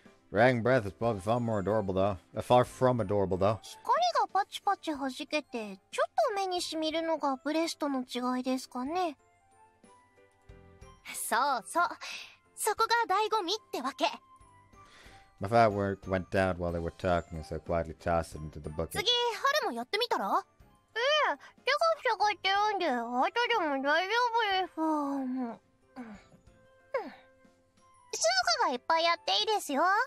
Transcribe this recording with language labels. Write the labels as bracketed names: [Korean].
[English] Dragon breath is probably far more adorable though. Far from adorable though. [Japanese] 光がパチパチ弾けて、ちょっと目に染みるのがブレスとの違いですかね。そうそう、そこが醍醐味ってわけ。 [English] My firework went down while they were talking, so quietly tossed it into the bucket. [Japanese] 次、春もやってみたら？ええ、手がふさがってるんで、後でも大丈夫です。スズカがいっぱいやっていいですよ。